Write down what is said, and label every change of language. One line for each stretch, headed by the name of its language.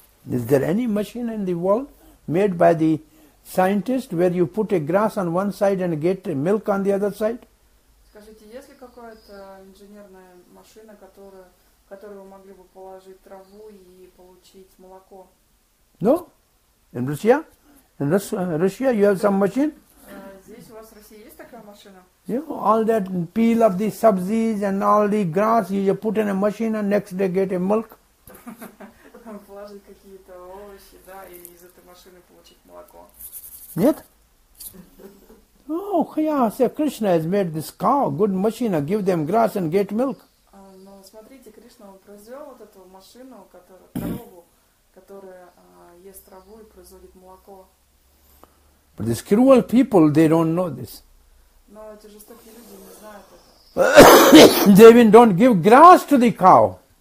English: Is there any machine in the world made by the scientist where you put a grass on one side and get milk on the other side?
Russian: Скажите, есть ли какая-то инженерная машина, которую могли бы положить траву и получить молоко?
English: No? In Russia? In Russia you have some machine?
Russian: Здесь у вас в России есть такая машина?
English: You know, all that peel of the sabzis and all the grass you put in a machine and next day get a milk?
Russian: Положить какие-то овощи, да, и из этой машины получить молоко. Нет?
English: Oh, yeah, so Krishna has made this cow, good machine, give them grass and get milk.
Russian: Но смотрите, Кришна произвел вот эту машину, корову, которая ест траву и производит молоко.
English: But these cruel people, they don't know this.
Russian: Но эти жестокие люди не знают это.
English: They even don't give grass to the cow.